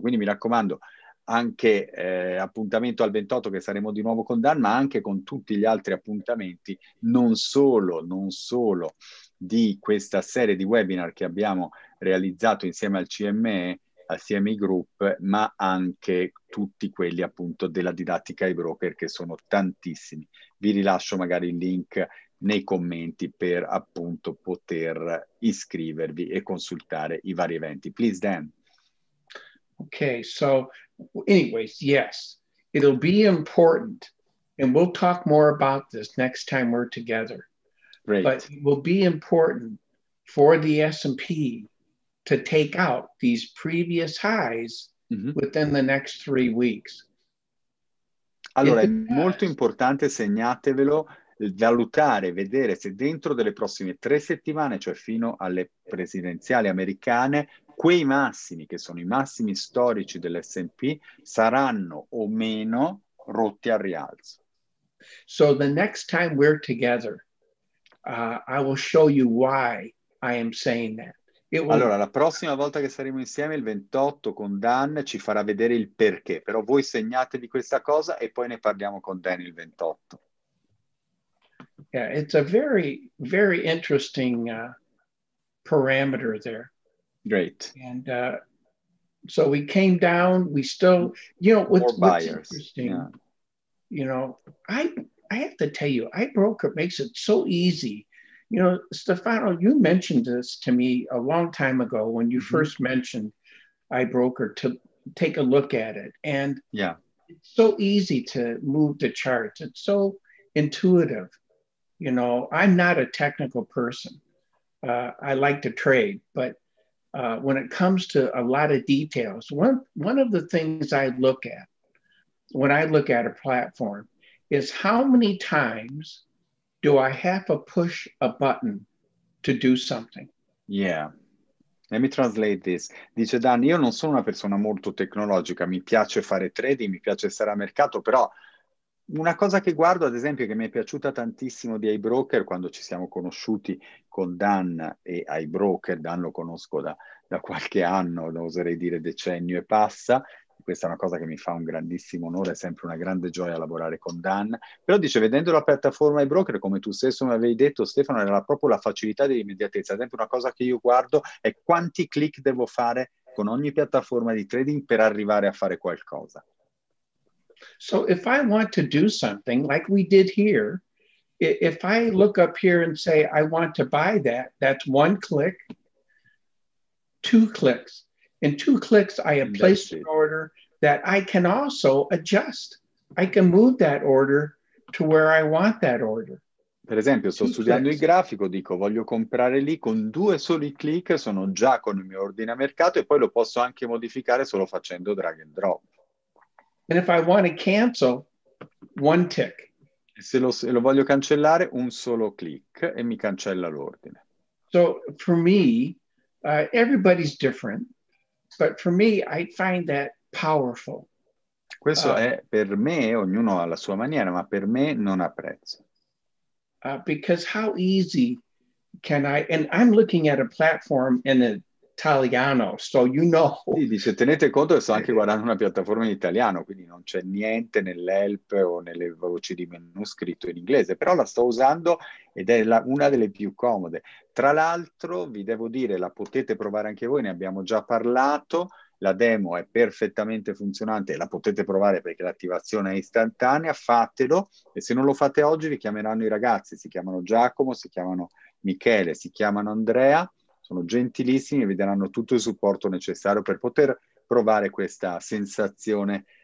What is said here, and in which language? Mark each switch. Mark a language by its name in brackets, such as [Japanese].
[Italian] Quindi mi raccomando, anche appuntamento al 28, che saremo di nuovo con Dan, ma anche con tutti gli altri appuntamenti, non solo di questa serie di webinar che abbiamo realizzato insieme al CME, al CME Group, ma anche tutti quelli appunto della didattica ai broker, che sono tantissimi. Vi rilascio magari il link nei commenti per appunto poter iscrivervi e consultare i vari eventi. [English] Please, Dan. Okay, so anyways, yes, it'll be important, and we'll talk more about this next time we're together. Great. But it will be important for the S&P to take out these previous highs within the next 3 weeks. [Italian] Allora, molto importante, segnatevelo, valutare, vedere se dentro delle prossime 3 settimane, cioè fino alle presidenziali americane, quei massimi, che sono i massimi storici dell'S&P, saranno o meno rotti al rialzo. [English] So the next time we're together, I will show you why I am saying that. [Italian] Allora, la prossima volta che saremo insieme, il 28, con Dan, ci farà vedere il perché. Però voi segnatevi questa cosa e poi ne parliamo con Dan il 28. [English] Yeah, it's a very, very interesting parameter there. Great. And so we came down, we still, you know, what's interesting, you know, I have to tell you, iBroker makes it so easy. You know, Stefano, you mentioned this to me a long time ago when you first mentioned iBroker to take a look at it. And yeah, it's so easy to move the charts. It's so intuitive. You know, I'm not a technical person. I like to trade, but when it comes to a lot of details, one of the things I look at when I look at a platform is how many times do I have to push a button to do something? Yeah. Let me translate this. [Italian] Dice Dan, io non sono una persona molto tecnologica, mi piace fare trading, mi piace stare a mercato, però una cosa che guardo, ad esempio, che mi è piaciuta tantissimo di iBroker, quando ci siamo conosciuti con Dan e iBroker, Dan lo conosco da qualche anno, non oserei dire decennio e passa, questa è una cosa che mi fa un grandissimo onore, è sempre una grande gioia lavorare con Dan, però dice, vedendo la piattaforma iBroker, come tu stesso mi avevi detto, Stefano, era proprio la facilità dell'immediatezza. Ad esempio, una cosa che io guardo è quanti click devo fare con ogni piattaforma di trading per arrivare a fare qualcosa. [English] So if I want to do something like we did here, if I look up here and say, I want to buy that, that's one click, 2 clicks. In 2 clicks, I have placed an order that I can also adjust. I can move that order to where I want that order. [Italian] Per esempio, sto studiando il grafico, dico, voglio comprare lì, con 2 soli click sono già con il mio ordine a mercato e poi lo posso anche modificare solo facendo drag and drop. [English] And if I want to cancel, 1 tick. [Italian] Se lo voglio cancellare, un solo click e mi cancella l'ordine. [English] So for me, everybody's different, but for me, I find that powerful. [Italian] Questo è per me, ognuno ha la sua maniera, ma per me non ha prezzo. [English] Because how easy can I, and I'm looking at a platform in a, Italiano, so you know. [Italian] Sì, dice, tenete conto che sto anche guardando una piattaforma in italiano, quindi non c'è niente nell'help o nelle voci di menu scritto in inglese, però la sto usando ed è una delle più comode. Tra l'altro, vi devo dire, la potete provare anche voi, ne abbiamo già parlato, la demo è perfettamente funzionante, la potete provare perché l'attivazione è istantanea, fatelo, e se non lo fate oggi vi chiameranno i ragazzi, si chiamano Giacomo, si chiamano Michele, si chiamano Andrea, sono gentilissimi e vi daranno tutto il supporto necessario per poter provare questa sensazione